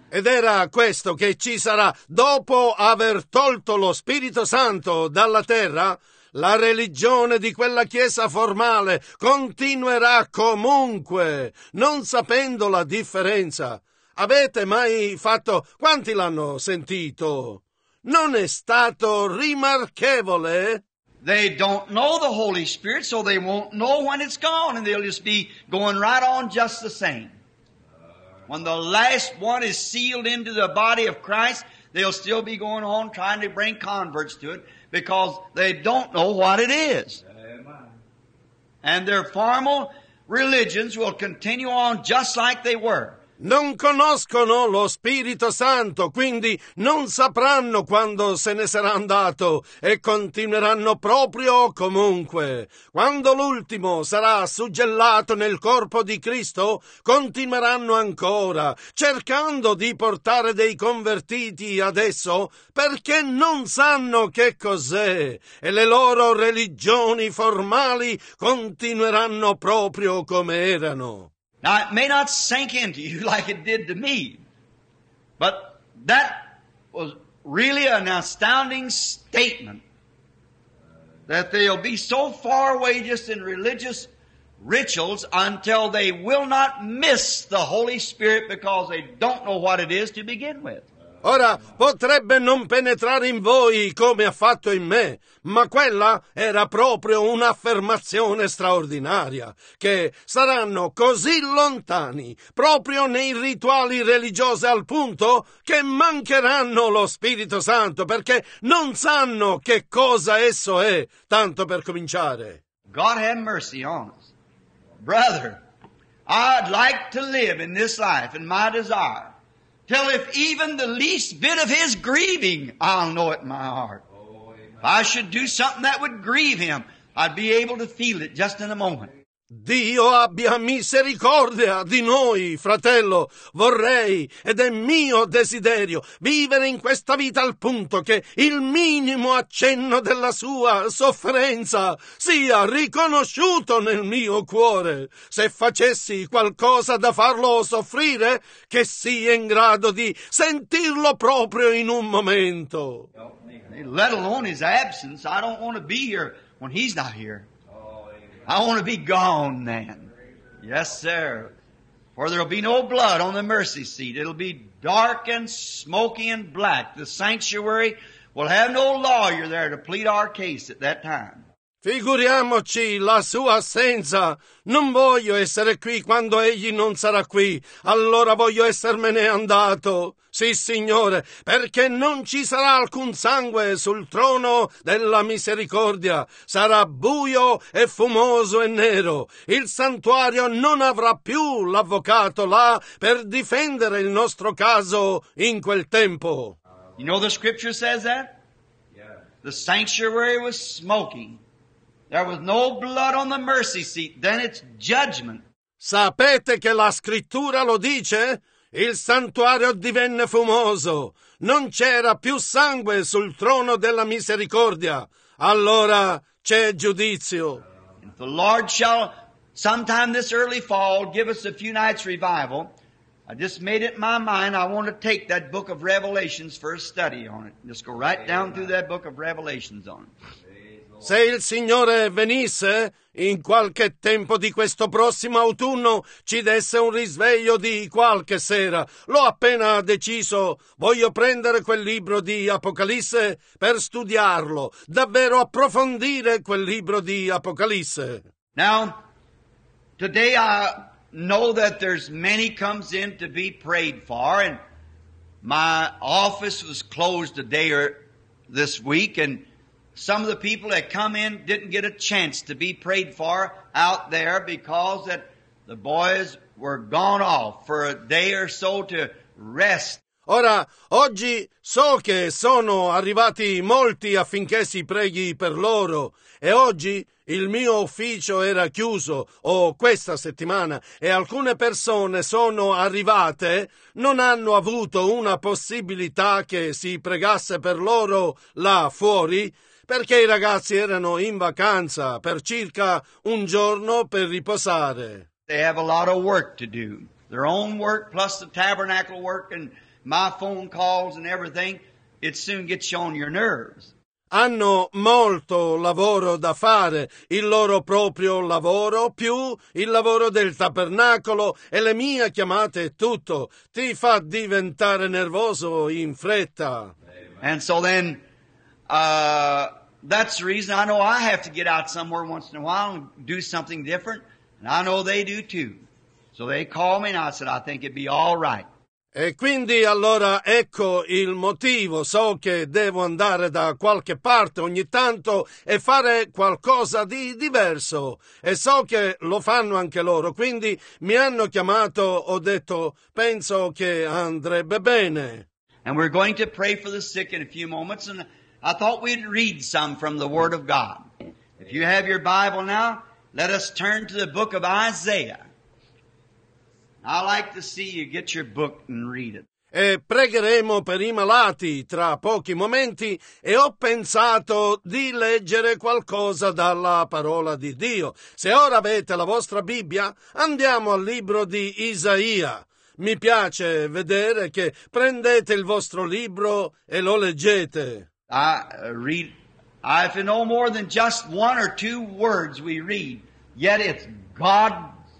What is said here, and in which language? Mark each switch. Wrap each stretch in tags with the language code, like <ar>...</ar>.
<it>Ed era questo che ci sarà dopo aver tolto lo Spirito Santo dalla terra. La religione di quella chiesa formale continuerà comunque, non sapendo la differenza. Avete mai fatto... Quanti l'hanno sentito? Non è stato rimarchevole?</it> <en>They don't know the Holy Spirit, so they won't know when it's gone, and they'll just be going right on just the same. When the last one is sealed into the body of Christ, they'll still be going on trying to bring converts to it, because they don't know what it is. Amen. And their formal religions will continue on just like they were.</en> <it>Non conoscono lo Spirito Santo, quindi non sapranno quando se ne sarà andato e continueranno proprio comunque. Quando l'ultimo sarà suggellato nel corpo di Cristo, continueranno ancora, cercando di portare dei convertiti adesso, perché non sanno che cos'è e le loro religioni formali continueranno proprio come erano.</it> <en>Now, it may not sink into you like it did to me, but that was really an astounding statement, that they'll be so far away just in religious rituals until they will not miss the Holy Spirit because they don't know what it is to begin with.</en> <it>Ora, potrebbe non penetrare in voi come ha fatto in me, ma quella era proprio un'affermazione straordinaria, che saranno così lontani, proprio nei rituali religiosi al punto che mancheranno lo Spirito Santo, perché non sanno che cosa esso è, tanto per cominciare.</it> <en>God have mercy on us. Brother, I'd like to live in this life in my desire. Till if even the least bit of his grieving, I'll know it in my heart. If I should do something that would grieve him, I'd be able to feel it just in a moment.</en> <it>Dio abbia misericordia di noi, fratello. Vorrei, ed è mio desiderio, vivere in questa vita al punto che il minimo accenno della sua sofferenza sia riconosciuto nel mio cuore. Se facessi qualcosa da farlo soffrire, che sia in grado di sentirlo proprio in un momento.</it> <en>Let alone his absence, I don't want to be here when he's not here. I want to be gone then. Yes, sir. For there'll be no blood on the mercy seat. It'll be dark and smoky and black. The sanctuary will have no lawyer there to plead our case at that time.</en> <it>Figuriamoci la sua assenza. Non voglio essere qui quando egli non sarà qui. Allora voglio essermene andato. Sì, Signore, perché non ci sarà alcun sangue sul trono della misericordia. Sarà buio e fumoso e nero. Il santuario non avrà più l'avvocato là per difendere il nostro caso in quel tempo.</it> <en>You know the scripture says that? The sanctuary was smoking. There was no blood on the mercy seat, then it's judgment.</en> <it>Sapete che la scrittura lo dice? Il santuario divenne fumoso. Non c'era più sangue sul trono della misericordia. Allora c'è giudizio.</it> <en>If the Lord shall sometime this early fall give us a few nights revival, I just made it my mind I want to take that book of Revelations for a study on it. Just go right down through that book of Revelations on it.</en> <it>Se il Signore venisse, in qualche tempo di questo prossimo autunno, ci desse un risveglio di qualche sera. L'ho appena deciso, voglio prendere quel libro di Apocalisse per studiarlo, davvero approfondire quel libro di Apocalisse.</it> <en>Now, today I know that there's many comes in to be prayed for, and my office was closed today or this week, and some of the people that come in didn't get a chance to be prayed for out there because that the boys were gone off for a day or so to rest.</en> <it>Ora, oggi so che sono arrivati molti affinché si preghi per loro. E oggi il mio ufficio era chiuso, o questa settimana, e alcune persone sono arrivate, non hanno avuto una possibilità che si pregasse per loro là fuori, perché i ragazzi erano in vacanza per circa un giorno per riposare.</it> <en>They have a lot of work to do. Their own work plus the tabernacle work and my phone calls and everything, it soon gets you on your nerves.</en> <it>Hanno molto lavoro da fare, il loro proprio lavoro, più il lavoro del tabernacolo e le mie chiamate e tutto. Ti fa diventare nervoso in fretta.</it> <en>And so then, that's the reason I know I have to get out somewhere once in a while and do something different, and I know they do too. So they call me and I said, I think it'd be all right.</en> <it>E quindi allora ecco il motivo, so che devo andare da qualche parte ogni tanto e fare qualcosa di diverso e so che lo fanno anche loro, quindi mi hanno chiamato, ho detto penso che andrebbe bene.</it> <en>And we're going to pray for the sick in a few moments and I thought we'd read some from the Word of God. If you have your Bible now, let us turn to the book of Isaiah. I like to see you get your book and read it.</en> <it>E pregheremo per i malati tra pochi momenti e ho pensato di leggere qualcosa dalla parola di Dio. Se ora avete la vostra Bibbia, andiamo al libro di Isaia. Mi piace vedere che prendete il vostro libro e lo leggete.</it> <en>I if no more than just one or two words we read, yet it's God.</en>